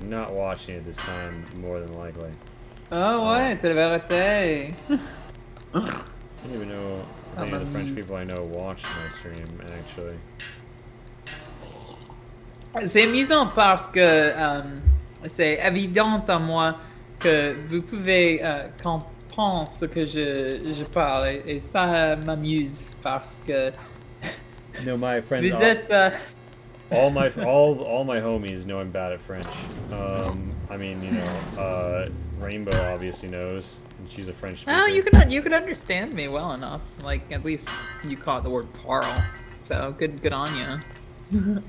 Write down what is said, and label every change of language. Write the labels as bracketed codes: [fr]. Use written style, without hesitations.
[en] Not watching it this time, more than likely. [fr] Oh, ouais, c'est la vérité. [en] I don't even know any of the French people I know watch my stream, actually. [fr] C'est amusant parce que c'est évident à moi que vous pouvez comprendre ce que je parle et ça m'amuse parce que [en] no, my friend, [fr] vous êtes [en] all my homies know I'm bad at French. I mean, you know, Rainbow obviously knows and she's a French speaker. Well, you can understand me well enough. Like at least you caught the word parle. So good on you.